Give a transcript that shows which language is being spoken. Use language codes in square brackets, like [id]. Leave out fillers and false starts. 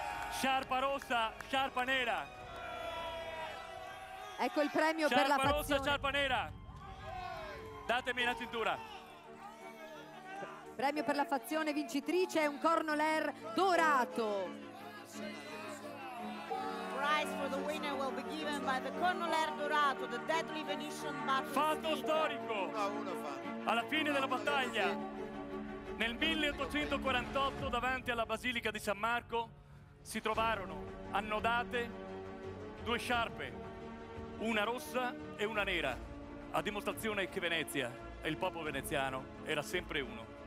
[it] Sciarpa rossa, sciarpa nera. Ecco il premio per la fazione. Sciarpa rossa, sciarpa nera. Datemi la cintura. Premio per la fazione vincitrice è un Cornoler dorato. [en] Prize for the winner will be given by the Cornoler dorato, the deadly Venetian battle. [it] Fatto storico. Alla fine della battaglia, nel 1848, davanti alla Basilica di San Marco, si trovarono annodate due sciarpe, una rossa e una nera, a dimostrazione che Venezia e il popolo veneziano era sempre uno.